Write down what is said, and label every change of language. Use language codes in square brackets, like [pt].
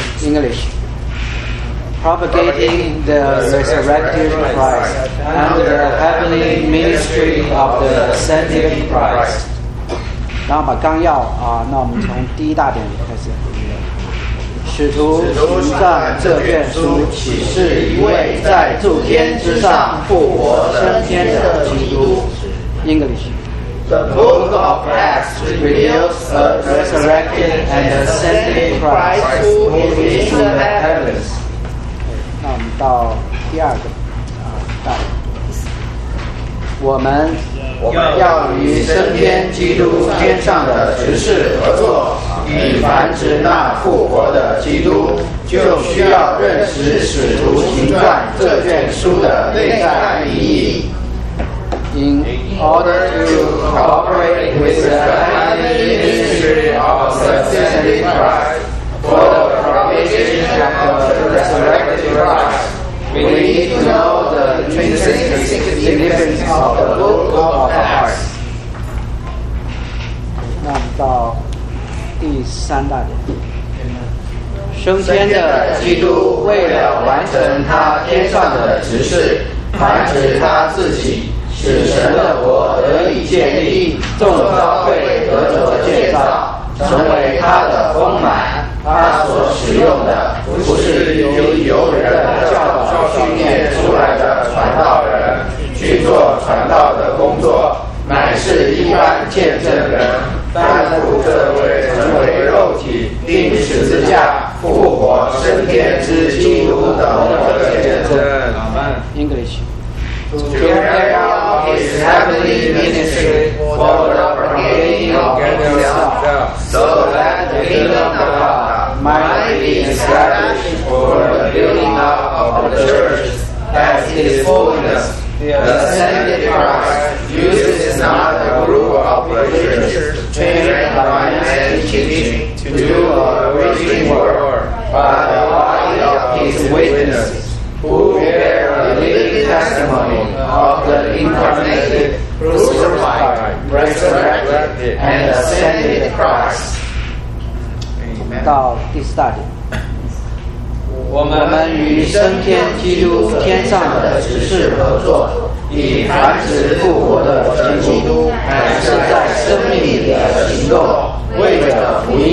[en] English。 Propagating the resurrected Christ and the heavenly ministry of the ascended Christ。 [zh] 然后把纲要那我们从第一大点开始。使徒行传这卷书启示一位在诸天之上复活升天的基督。 [en] English。 The Book of Acts reveals a resurrected and ascended Christ who is in the heavens。 [zh] 那我们到第二个大点。我们要与升天基督天上的执事合作，以繁殖那复活的基督，就需要认识使徒行传这卷书的内在意义。 [en] In order to cooperate with the heavenly ministry of the ascended Christ for the propagation of the resurrected Christ,We need to know the intrinsic significance of the Book of Acts。 [zh] 那我们到第三大点。升天的基督为了完成他天上的职事，繁殖他自己，使神的国得以建立，众教会得着建造，成为他的丰满。他所使用的不是由人的教导训练出来的传道人去做传道的工作，乃是一般见证人担负这位成为肉体钉十字架复活升天之基督的见证。 [en] English。 To carry out his heavenly ministry for the propagating of himself so that the kingdom of GodMind be established for the building up of the church as his fullness. The ascended Christ uses not a group of believers trained by any teaching to do a preaching work, but the body of his witnesses who bear a living testimony of the incarnated, crucified, resurrected, and ascended Christ. [zh] 到第四大点。我们与升天基督天上的执事合作，以繁殖复活的基督乃是在生命里的行动，为了